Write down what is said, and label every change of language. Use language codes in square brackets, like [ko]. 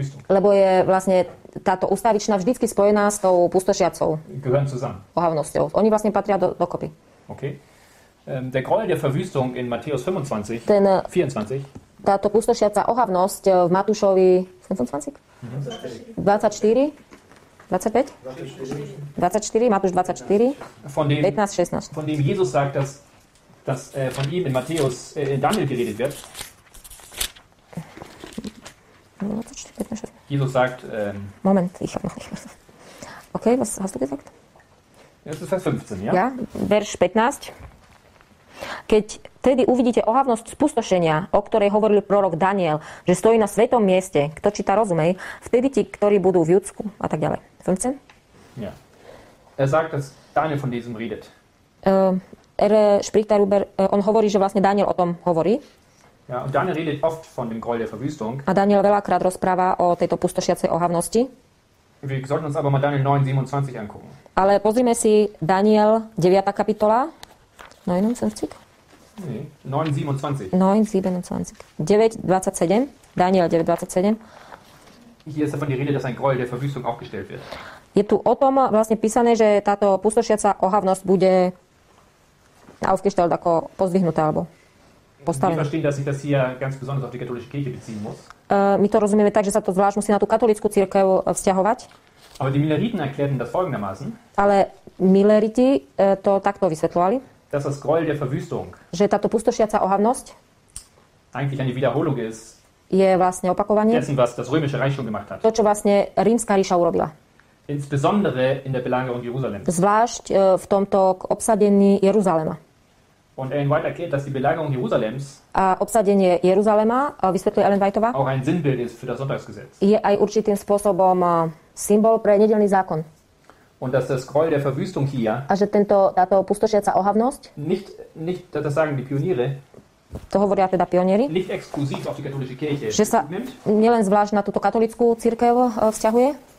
[sk] Lebo je vlastne táto ustavičná vždycky spojená s tou pustošiacou ohavnosťou. Oni vlastne patria dokopy. Okay. [de] Der Gräuel der Verwüstung in Matthäus 24. [sk] Táto pustošiaca ohavnosť v Matúšovi 15-16. [de] Von dem Jesus sagt, dass von ihm in Matthäus in Daniel geredet wird. 24, Jesus sagt, Moment, ich habe noch nicht. Okay, was hast du gesagt? Das ist Vers 15, ja? Ja, Vers 15. [sk] Keď tedy uvidíte ohavnosť spustošenia, o ktorej hovoril prorok Daniel, že stojí na svetom mieste, kto číta, rozumej, vtedy ti, ktorí budú v Judsku, a tak ďalej. 15? [de] Ja. Er sagt, dass Daniel von diesem redet. [sk] On hovorí, že vlastne Daniel o tom hovorí. [de] Ja, und Daniel redet oft von dem Gräuel der Verwüstung. [sk] A Daniel veľakrát rozpráva o tejto pustošiacej ohavnosti. [de] Wir sollten uns aber mal Daniel 9:27 angucken. [sk] Ale pozrime si Daniel 9. kapitola. [de] 9:27. Daniel 9:27. Hier ist davon die Rede, dass ein Gräuel der Verwüstung aufgestellt wird. [sk] Je tu o tom vlastne písané, že táto pustošiaca ohavnosť bude aufgestellt, ako pozdvihnutá alebo postavená. [de] Wir verstehen, dass ich das hier ganz besonders auf die katholische Kirche beziehen muss. [sk] My to rozumieme tak, že sa to zvlášť musí na tú katolickú cirkev vzťahovať. [de] Aber die Milleriten erklärten das folgendermaßen. [sk] Ale Milleriti to takto vysvetľovali. [de] Dass das Gräuel der Verwüstung. [sk] Že táto pustošiaca ohavnosť. [de] Eigentlich eine Wiederholung ist. [sk] Je vlastne opakovanie. [de] Dessen, was das römische Reich schon gemacht hat. [sk] To, čo vlastne rímska ríša urobila. [de] Insbesondere in der Belagerung Jerusalems. [sk] Zvlášť v tomto obsadení Jeruzalema. [de] Und Ellen White erklärt, dass die Belagerung Jerusalems. [sk] A obsadenie Jeruzalema, vysvetľuje Ellen Whiteová. [de] Auch ein Sinnbild ist für das Sonntagsgesetz. [sk] Je aj určitým spôsobom symbol pre nedeľný zákon. [de] Und dass das Gräuel der Verwüstung hier. [sk] A že táto pustošiaca ohavnosť. [de] Nicht das sagen die Pioniere. [sk] To hovoria teda pionieri. [de] Nicht exklusiv auf die katholische Kirche. [sk] Že sa nielen zvlášť na túto katolickú cirkev vzťahuje.